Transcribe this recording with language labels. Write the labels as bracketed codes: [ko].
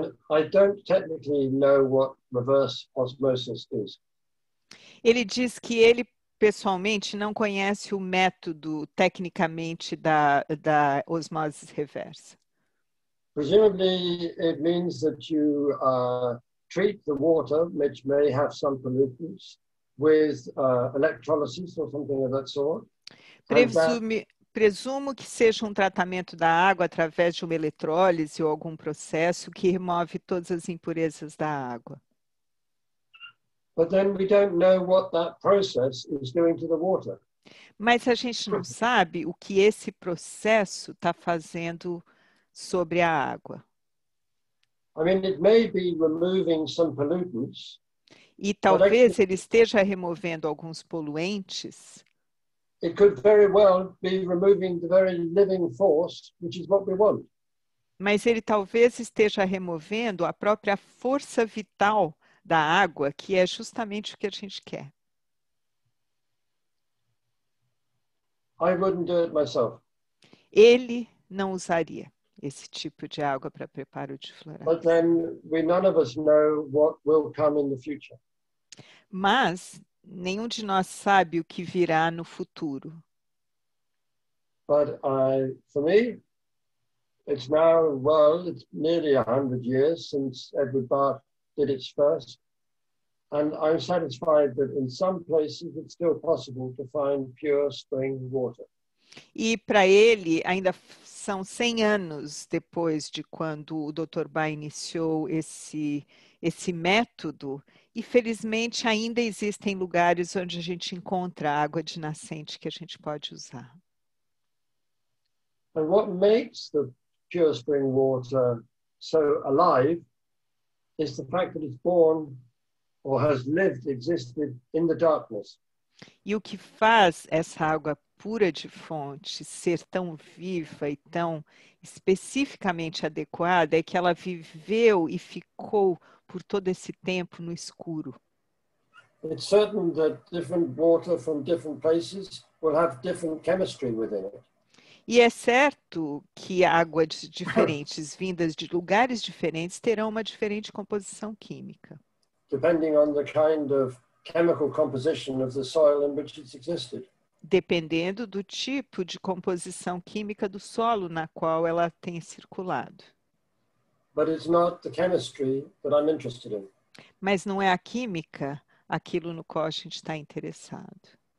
[en] I don't technically know what reverse osmosis is. [pt] Ele diz que ele pessoalmente não conhece o método tecnicamente da osmose reversa. [en] Presumably it means that you treat the water, which may have some pollutants, with electrolysis or something of that sort. [pt] Presumo que seja um tratamento da água através de uma eletrólise ou algum processo que remove todas as impurezas da água. [en] But then we don't know what that process is doing to the water. [pt] Mas a gente não sabe o que esse processo está fazendo sobre a água. [en] I mean, it may be removing some pollutants. [pt] E talvez ele esteja removendo alguns poluentes. [en] It could very well be removing the very living force, which is what we want. [pt] Mas ele talvez esteja removendo a própria força vital da água, que é justamente o que a gente quer. [en] I wouldn't do it myself. [pt] Ele não usaria esse tipo de água para preparo de florais. [en] But then we none of us know what will come in the future. [pt] Mas nenhum de nós sabe o que virá no futuro. [en] But for me, it's now, well, it's nearly 100 years since Edward Bach did its first. And I'm satisfied that in some places it's still possible to find pure spring water. [pt] E para ele, ainda são 100 anos depois de quando o Dr. Bach iniciou esse método. E felizmente ainda existem lugares onde a gente encontra água de nascente que a gente pode usar. [en] And what makes the pure spring water so alive is the fact that it's born or has lived, existed in the darkness. [pt] E o que faz essa água pura de fonte ser tão viva e tão especificamente adequada é que ela viveu e ficou por todo esse tempo no escuro. [en] It's certain that different water from different places will have different chemistry within it. [pt] E é certo que águas diferentes, vindas de lugares diferentes, terão uma diferente composição química. [en] Depending on the kind of chemical composition of the soil in which it's existed. [pt] Dependendo do tipo de composição química do solo na qual ela tem circulado. [en] But it's not the chemistry that I'm interested in. [pt] Mas não é a química aquilo no qual a gente está interessado.